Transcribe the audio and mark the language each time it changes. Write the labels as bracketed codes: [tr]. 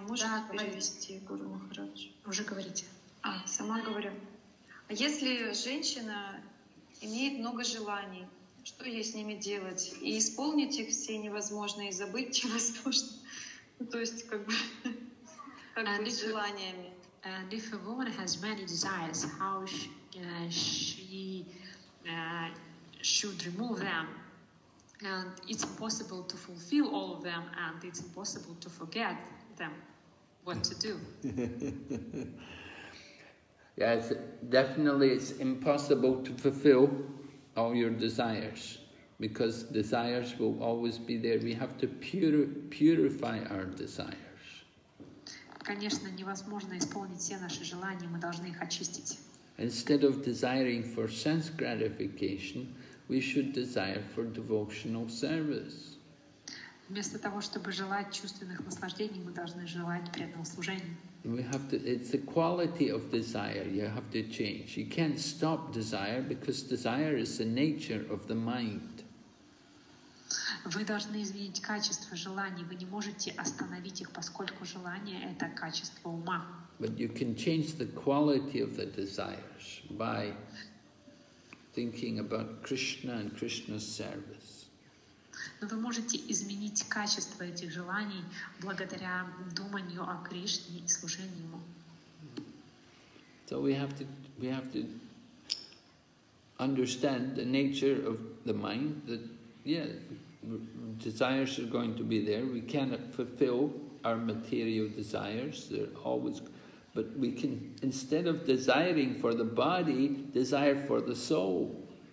[ru] Можете перевести, Гуру Махарадж? Уже говорите. А, сама говорю. А если женщина имеет много желаний, что ей с ними делать? И исполнить их все невозможно, и забыть те возможно. То есть, как бы с желаниями. [en] And if a woman has many desires, how should remove them? And it's impossible to fulfill all of them, and it's impossible to forget them. What to do? Yes, definitely it's impossible to fulfill all your desires, because desires will always be there. We have to purify our desires. [ru] Конечно, невозможно исполнить все наши желания, мы должны их очистить. [en] Instead of desiring for sense gratification, we should desire for devotional service. [ru] Вместо того, чтобы желать чувственных наслаждений, мы должны желать преданного служения. [en] We have to, it's the quality of desire you have to change. You can't stop desire, because desire is the nature of the mind. [ru] Вы должны изменить качество желаний. Вы не можете остановить их, поскольку желание – это качество ума. [en] But you can change the quality of the desires by thinking about Krishna and Krishna's service. [ru] Но вы можете изменить качество этих желаний благодаря думанию о Кришне и служению ему. [en] So we have to understand the nature of the mind, that yeah, desires are going to be there. We cannot fulfill our material desires. They're always, but we can, instead of desiring for the body, desire for the soul.